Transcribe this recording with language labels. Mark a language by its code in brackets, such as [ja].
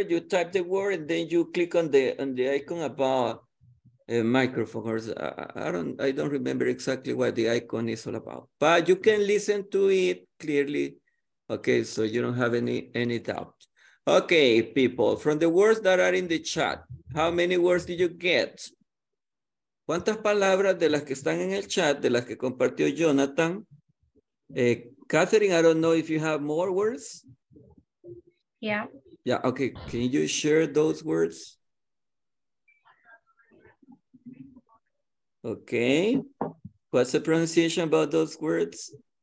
[en] You type the word and then you click on the icon about a microphone. I don't remember exactly what the icon is all about, but you can listen to it clearly. Okay, so you don't have any doubt. Okay, people, from the words that are in the chat, how many words did you get? [es] ¿Cuántas palabras de las que están en el chat, de las que compartió Jonathan? [en] Catherine, I don't know if you have more words. Yeah. Yeah, okay. Can you share those words? Okay. What's the pronunciation about those words?